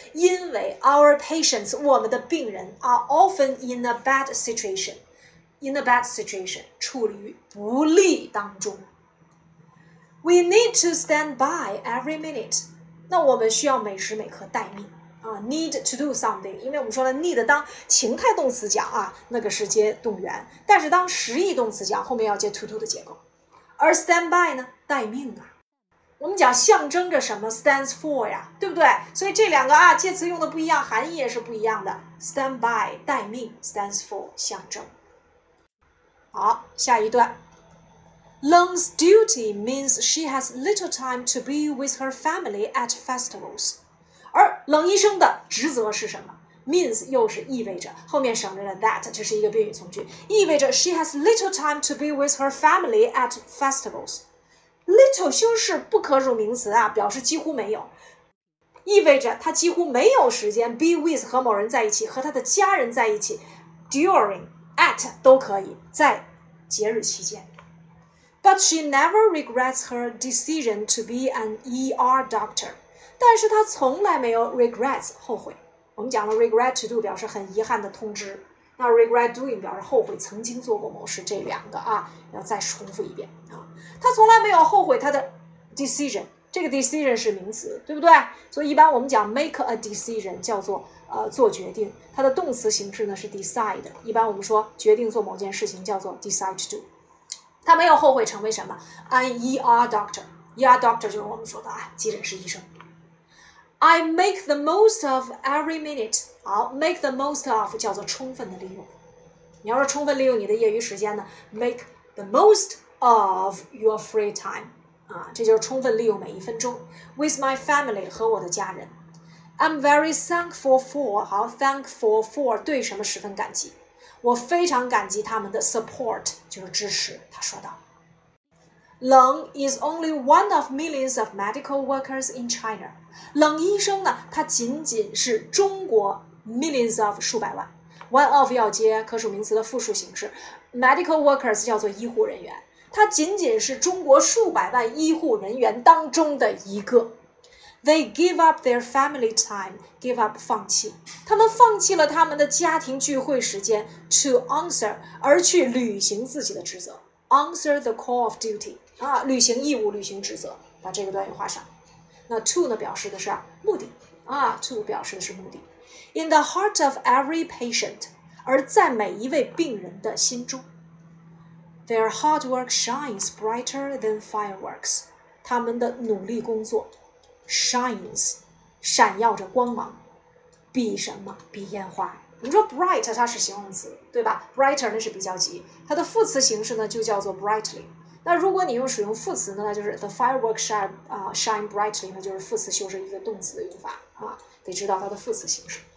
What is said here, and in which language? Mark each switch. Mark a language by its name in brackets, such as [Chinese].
[Chinese] 因为 [English] our patients, [Chinese] 我们的病人 [English] are often in a bad situation. In a bad situation, [Chinese] 处于不利当中。 [English] We need to stand by every minute. [Chinese] 那我们需要每时每刻待命。 [English] Need to do something, [Chinese] 因为我们说了 need 当情态动词讲啊，那个是接动员，但是当实义动词讲，后面要接 to do 的结构。而 stand by 呢，待命啊。我们讲象征着什么 stands for 呀，对不对？所以这两个啊，介词用的不一样，含义也是不一样的。 Stand by 待命 stands for 象征。好，下一段。 [English] Leng's duty means she has little time to be with her family at festivals. [Chinese] 而冷医生的职责是什么 ？Means 又是意味着，后面省略了 that， 这是一个宾语从句，意味着 [English] she has little time to be with her family at festivals。 [Chinese] Little 修饰不可数名词啊，表示几乎没有。意味着他几乎没有时间 be with 和某人在一起，和他的家人在一起， during, at 都可以，在节日期间。 [English] But she never regrets her decision to be an ER doctor. [Chinese] 但是她从来没有 regrets 后悔。我们讲了 regret to do 表示很遗憾的通知，那 regret doing 表示后悔曾经做过某事，这两个啊要再重复一遍啊。她从来没有后悔她的 decision， 这个 decision 是名词，对不对？所以一般我们讲 make a decision 叫做做决定，它的动词形式呢是 decide， 一般我们说决定做某件事情叫做 decide to do。他没有后悔成为什么 ？An ER doctor， ER doctor 就是我们说的啊，急诊室医生。 [English] I make the most of every minute。 好 ，make the most of [Chinese] 叫做充分的利用。你要是充分利用你的业余时间呢 ， [English] make the most of your free time。 [Chinese] 啊，这就是充分利用每一分钟。 [English] With my family [Chinese] 和我的家人 [English] ，I'm very thankful for。 [Chinese] 好 ，thankful for 对什么十分感激。我非常感激他们的 support， 就是支持。他说道 [English] ，Lung is only one of millions of medical workers in China。 [Chinese] 冷医生呢，他仅仅是中国 millions of 数百万。 One of 要接可数名词的复数形式 ，medical workers 叫做医护人员。他仅仅是中国数百万医护人员当中的一个。 [English] They give up their family time, give up [Chinese] 放弃。他们放弃了他们的家庭聚会时间 [English] to answer, [Chinese] 而去履行自己的职责。 [English] Answer the call of duty, [Chinese] 啊，履行义务，履行职责。把这个段语画上。那 to 呢表示的是目的。啊 ,to 表示的是目的。 [English] In the heart of every patient, [Chinese] 而在每一位病人的心中。 [English] Their hard work shines brighter than fireworks, [Chinese] 他们的努力工作。 Shines, 闪耀着光芒，比什么？比烟花。你说 bright 它是形容词，对吧？brighter 那是比较级，它的副词形式呢就叫做 brightly。那如果你用使用副词呢，那就是 [English] the fireworks shine,shine brightly， [Chinese] 那就是副词修饰一个动词的用法啊，得知道它的副词形式。